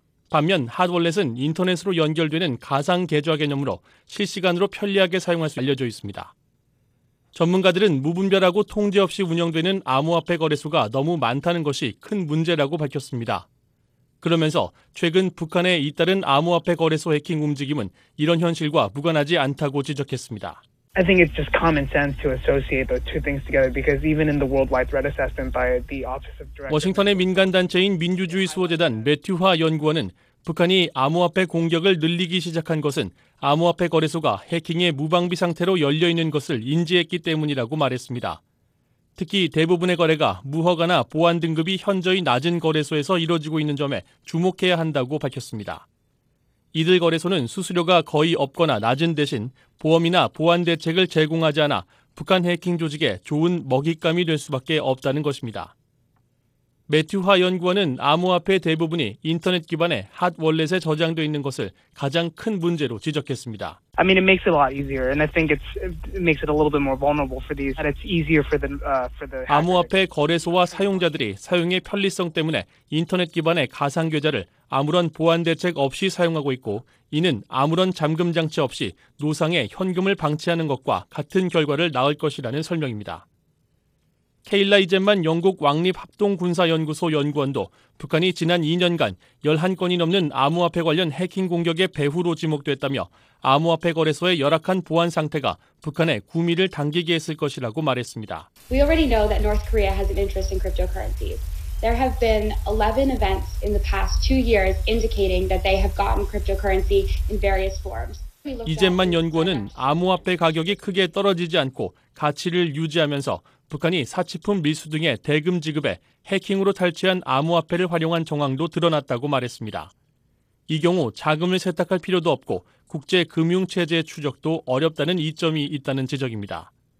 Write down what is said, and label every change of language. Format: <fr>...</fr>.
<ko>반면 핫월렛은 인터넷으로 연결되는 가상 계좌 개념으로 실시간으로 편리하게 사용할 수 알려져 있습니다. 전문가들은 무분별하고 통제 없이 운영되는 암호화폐 거래소가 너무 많다는 것이 큰 문제라고 밝혔습니다. 그러면서 최근 북한의 잇따른 암호화폐 거래소 해킹 움직임은 이런 현실과 무관하지 않다고 지적했습니다.</ko> <en>I think it's just common sense to associate those two things together because even in the worldwide threat assessment by the Office of Director</en> <ko>워싱턴의 민간 단체인 민주주의 수호 재단 매튜화 연구원은 북한이 암호화폐 공격을 늘리기 시작한 것은 암호화폐 거래소가 해킹의 무방비 상태로 열려 있는 것을 인지했기 때문이라고 말했습니다. 특히 대부분의 거래가 무허가나 보안 등급이 현저히 낮은 거래소에서 이루어지고 있는 점에 주목해야 한다고 밝혔습니다. 이들 거래소는 수수료가 거의 없거나 낮은 대신 보험이나 보안 대책을 제공하지 않아 북한 해킹 조직에 좋은 먹잇감이 될 수밖에 없다는 것입니다. 매튜화 연구원은 암호화폐 대부분이 인터넷 기반의 핫월렛에 저장되어 있는 것을 가장 큰 문제로 지적했습니다.</ko> <en>I mean, it makes it a lot easier, and I think it makes it a little bit more vulnerable for these, and it's easier for the hackers.</en> <ko>암호화폐 거래소와 사용자들이 사용의 편리성 때문에 인터넷 기반의 가상 계좌를 아무런 보안 대책 없이 사용하고 있고, 이는 아무런 잠금 장치 없이 노상에 현금을 방치하는 것과 같은 결과를 낳을 것이라는 설명입니다. 케일라 이젠만 영국 왕립합동군사연구소 연구원도 북한이 지난 2년간 11건이 넘는 암호화폐 관련 해킹 공격의 배후로 지목됐다며 암호화폐 거래소의 열악한 보안 상태가 북한의 구미를 당기게 했을 것이라고 말했습니다.</ko> <en>We already know that North Korea has an interest in cryptocurrencies. There have been 11 events in the past 2 years indicating that they have gotten cryptocurrency in various forms.</en> <ko>이젠만 연구원은 암호화폐 가격이 크게 떨어지지 않고 가치를 유지하면서 북한이 사치품 밀수 등의 대금 지급에 해킹으로 탈취한 암호화폐를 활용한 정황도 드러났다고 말했습니다. 이 경우 자금을 세탁할 필요도 없고 국제금융체제의 추적도 어렵다는 이점이 있다는 지적입니다.</ko>